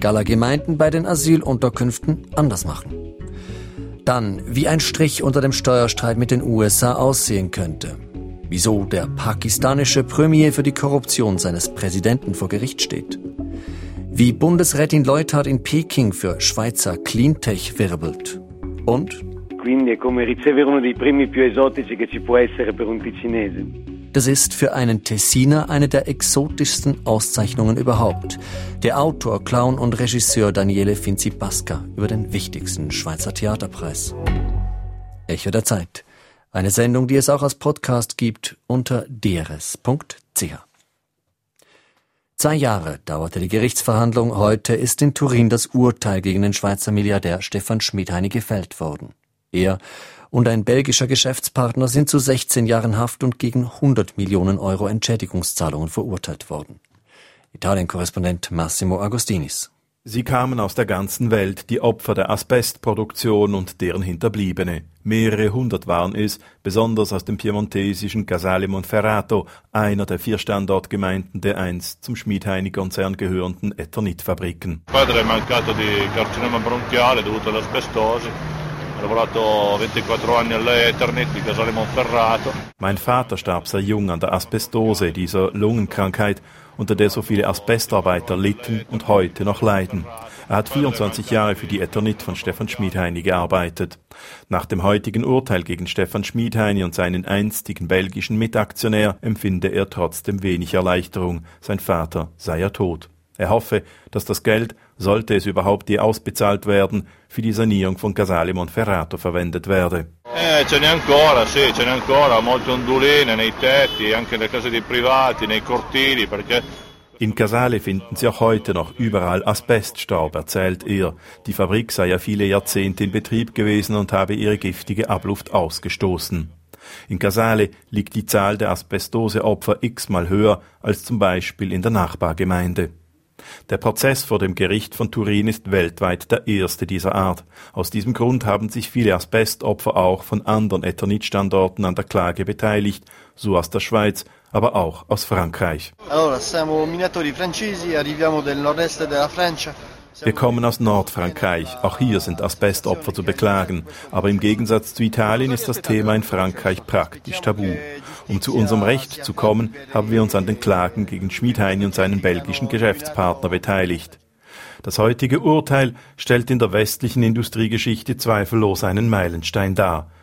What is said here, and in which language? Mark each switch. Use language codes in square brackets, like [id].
[de] Galler Gemeinden bei den Asylunterkünften anders machen. Dann, wie ein Strich unter dem Steuerstreit mit den USA aussehen könnte. Wieso der pakistanische Premier für die Korruption seines Präsidenten vor Gericht steht. Wie Bundesrätin Leuthard in Peking für Schweizer Cleantech wirbelt. Und [it] quindi è come ricevere uno dei primi più esotici che ci può essere per un ticinese. [de] Das ist für einen Tessiner eine der exotischsten Auszeichnungen überhaupt. Der Autor, Clown und Regisseur Daniele Finzi-Pasca über den wichtigsten Schweizer Theaterpreis. Echo der Zeit. Eine Sendung, die es auch als Podcast gibt unter drs.ch. 2 Jahre dauerte die Gerichtsverhandlung. Heute ist in Turin das Urteil gegen den Schweizer Milliardär Stefan Schmidheini gefällt worden. Er und ein belgischer Geschäftspartner sind zu 16 Jahren Haft und gegen 100 Millionen Euro Entschädigungszahlungen verurteilt worden. Italien-Korrespondent Massimo Agostinis. Sie kamen aus der ganzen Welt, die Opfer der Asbestproduktion und deren Hinterbliebene. Mehrere hundert waren es, besonders aus dem piemontesischen Casale Monferrato, einer der 4 Standortgemeinden der einst zum Schmidheini-Konzern gehörenden Eternit-Fabriken. [it] Der padre è mancato di carcinoma bronchiale dovuto all'asbestosi. Ho lavorato 24 anni all'Eternit di Casale Monferrato. [de] Mein Vater starb sehr jung an der Asbestose, dieser Lungenkrankheit, unter der so viele Asbestarbeiter litten und heute noch leiden. Er hat 24 Jahre für die Eternit von Stefan Schmidheini gearbeitet. Nach dem heutigen Urteil gegen Stefan Schmidheini und seinen einstigen belgischen Mitaktionär empfinde er trotzdem wenig Erleichterung. Sein Vater sei ja tot. Er hoffe, dass das Geld, sollte es überhaupt je ausbezahlt werden, für die Sanierung von Casale Monferrato verwendet werde. [it] Ce n'è ancora, sì, ce n'è ancora, molte onduline nei tetti, anche nelle case dei privati, nei cortili, perché. [de] In Casale finden sie auch heute noch überall Asbeststaub, erzählt er. Die Fabrik sei ja viele Jahrzehnte in Betrieb gewesen und habe ihre giftige Abluft ausgestoßen. In Casale liegt die Zahl der Asbestoseopfer x-mal höher als zum Beispiel in der Nachbargemeinde. Der Prozess vor dem Gericht von Turin ist weltweit der erste dieser Art. Aus diesem Grund haben sich viele Asbestopfer auch von anderen Eternit-Standorten an der Klage beteiligt, so aus der Schweiz, aber auch aus Frankreich. [it] Allora, siamo minatori francesi, arriviamo del nord-est della Francia. [de] Wir kommen aus Nordfrankreich, auch hier sind Asbestopfer zu beklagen. Aber im Gegensatz zu Italien ist das Thema in Frankreich praktisch tabu. Um zu unserem Recht zu kommen, haben wir uns an den Klagen gegen Schmidheini und seinen belgischen Geschäftspartner beteiligt. Das heutige Urteil stellt in der westlichen Industriegeschichte zweifellos einen Meilenstein dar.